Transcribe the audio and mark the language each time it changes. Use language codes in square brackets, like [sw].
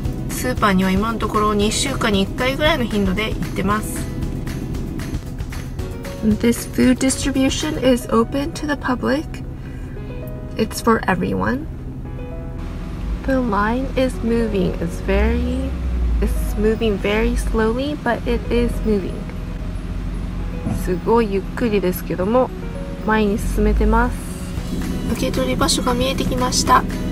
[ja] スーパーには今のところ2週間に1回ぐらいの頻度で行ってます。 [en] This food distribution is open to the public. It's for everyone. The line is moving. It's moving very slowly, but it is moving. [ja] すごいゆっくりですけども、前に進めてます。受け取り場所が見えてきました。